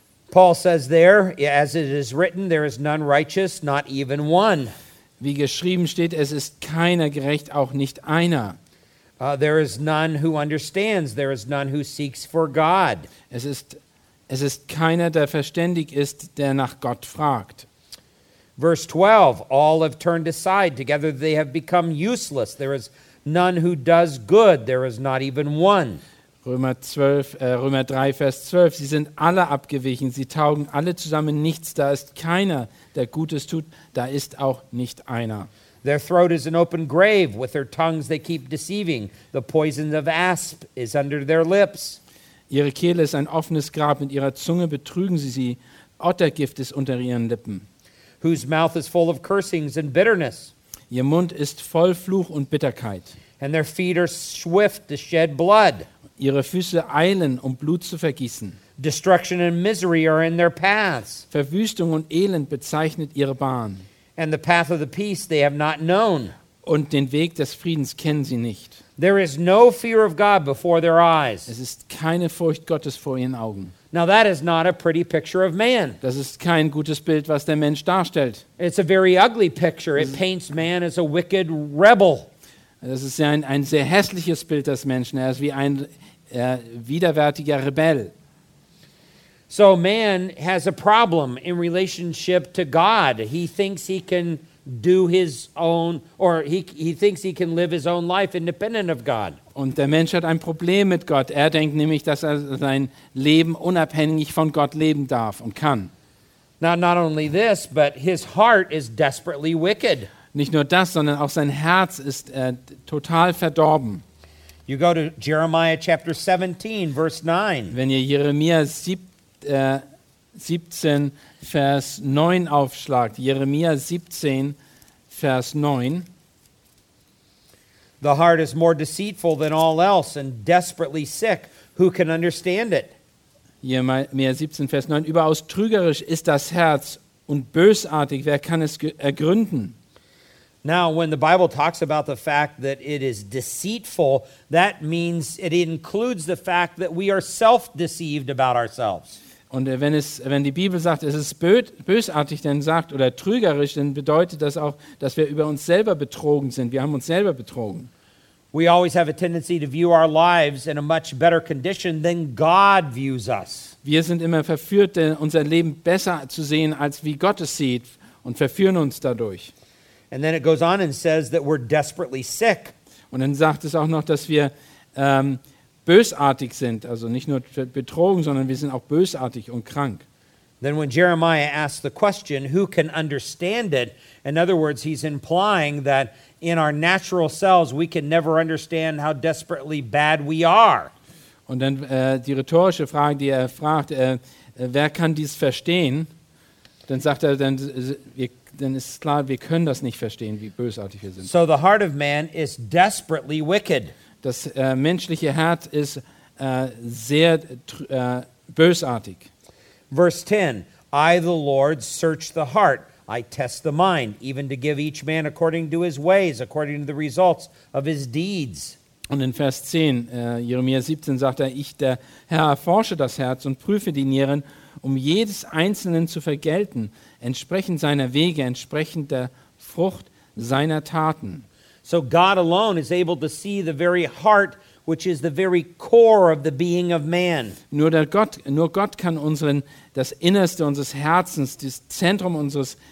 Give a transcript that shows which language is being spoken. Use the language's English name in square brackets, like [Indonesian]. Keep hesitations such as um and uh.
[English] Paul [German] sagt [English] there, as it is written, there is none righteous, not even one. [German] Wie geschrieben steht, es ist keiner gerecht, auch nicht einer. [English] there is none who understands, there is none who seeks for God. [German] Es ist es ist keiner, der verständig ist, der nach Gott fragt. [English] Verse 12 All have turned aside. Together they have become useless. There is none who does good. There is not even one. [German] Römer, 12, äh, Römer 3, [English] verse 12. [German] Sie sind alle abgewichen. Sie taugen alle zusammen nichts. Da ist keiner, der Gutes tut. Da ist auch nicht einer. [English] Their throat is an open grave. With their tongues they keep deceiving. The poison of asp is under their lips. [German] Ihre Kehle ist ein offenes Grab. Mit ihrer Zunge betrügen sie sie. Ottergift ist unter ihren Lippen [English] whose mouth is full of cursings and bitterness. [German] Ihr Mund ist voll Fluch und Bitterkeit. [English] And their feet are swift to shed blood. [German] Ihre Füße eilen, um Blut zu vergießen. [English] Destruction and misery are in their path. [German] Verwüstung und Elend bezeichnet ihre Bahn. [English] And the path of the peace they have not known. [German] Und den Weg des Friedens kennen sie nicht. [English] There is no fear of God before their eyes. [German] Es ist keine Furcht Gottes vor ihren Augen. [English] Now that is not a pretty picture of man. [German] Das ist kein gutes Bild, was der Mensch darstellt. [English] It's a very ugly picture. It paints man as a wicked rebel. [German] Das ist ein ein sehr hässliches Bild des Menschen. Er ist wie ein äh, widerwärtiger Rebell. [English] So man has a problem in relationship to God. He thinks he can do his own or he, he thinks he can live his own life independent of God. [German] Und der Mensch hat ein Problem mit Gott. Er denkt nämlich, dass er sein Leben unabhängig von Gott leben darf und kann. [English] Now not only this, but his heart is desperately wicked. [German] Nicht nur das, sondern auch sein Herz ist äh, total verdorben. [English] You go to Jeremiah chapter 17 verse 9. [German] Wenn ihr Jeremia 7 17, Vers 9 aufschlagt. Jeremia 17, Vers 9. [English] The heart is more deceitful than all else and desperately sick. Who can understand it? [German] Jeremia 17, Vers 9. Überaus trügerisch ist das Herz und bösartig. Wer kann es ergründen? [English] Now, when the Bible talks about the fact that it is deceitful, that means it includes the fact that we are self deceived about ourselves. [German] Und wenn, es, wenn die Bibel sagt, es ist bösartig, dann sagt oder trügerisch, dann bedeutet das auch, dass wir über uns selber betrogen sind. Wir haben uns selber betrogen. Wir sind immer verführt, unser Leben besser zu sehen, als wie Gott es sieht, und verführen uns dadurch. Und dann sagt es auch noch, dass wir ähm, bösartig sind, also nicht nur betrogen, sondern wir sind auch bösartig und krank. [English] Then when Jeremiah asks the question, who can understand it? In other words, he's implying that in our natural selves we can never understand how desperately bad we are. [German] Und dann äh, die rhetorische Frage, die er fragt, äh, wer kann dies verstehen? Dann sagt er, dann, wir, dann ist klar, wir können das nicht verstehen, wie bösartig wir sind. [English] So the heart of man is desperately wicked [German] das äh, menschliche Herz ist äh, sehr äh, bösartig. [English] Verse 10. I the Lord search the heart. I test the mind, even to give each man according to his ways, according to the results of his deeds. [German] Und in Vers 10, Jeremia 17, sagt er, ich, der Herr, forsche das Herz und prüfe die Nieren, um jedes Einzelnen zu vergelten, entsprechend seiner Wege, entsprechend der Frucht seiner Taten. [English] So God alone is able to see the very heart which is the very core of the being of man. [German] Nur der Gott, nur Gott kann unseren das innerste unseres Herzens, das Zentrum unseres